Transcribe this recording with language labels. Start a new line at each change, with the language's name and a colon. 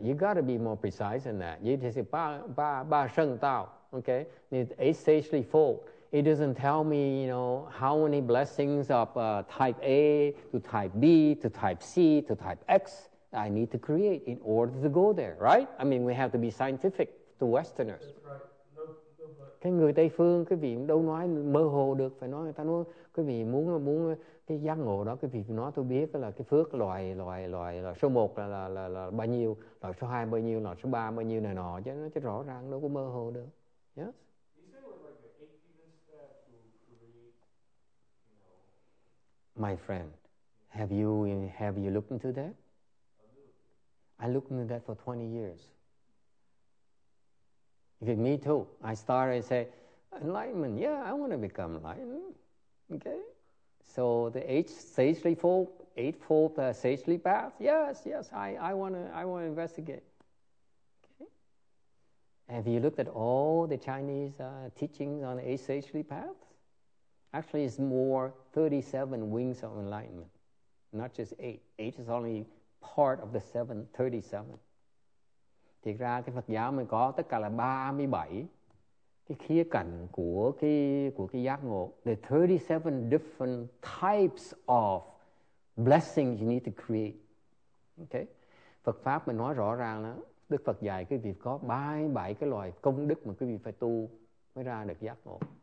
English: You got to be more precise than that. You just say, Ba Sheng Da. Okay? It's eight stagely fold. It doesn't tell me, you know, how many blessings of type A to type B to type C to type X I need to create in order to go there, right? I mean, we have to be scientific to Westerners. That's right. No.
Vietnamese: Cái người Tây phương, cái vị đâu nói mơ hồ được, phải nói người ta nói, cái vị muốn cái giác ngộ đó, cái vị nói tôi biết là cái phước loài số 1 là bao nhiêu, loài số 2 bao nhiêu, loài số 3 bao nhiêu này nọ, chứ nó chứ rõ ràng đâu có mơ hồ được.
English: Yes. My friend, have you looked into that? I looked into that for 20 years. Okay, me too. I start and say, enlightenment, yeah, I want to become enlightened. Okay? So the eightfold sagely path, yes, I want to investigate. Okay? Have you looked at all the Chinese teachings on the eight sagely paths? Actually, it's more 37 wings of enlightenment, not just eight. Eight is only part of the 737.
Vietnamese: Thiệt ra cái Phật giáo mình có tất cả là 37 cái khía cạnh của cái giác ngộ.
English: The 37 different types of blessings you need to create. Okay?
Vietnamese: Phật pháp mình nói rõ ràng đó, Đức Phật dạy cái việc có 37 cái loại công đức mà quý vị phải tu mới ra được giác ngộ.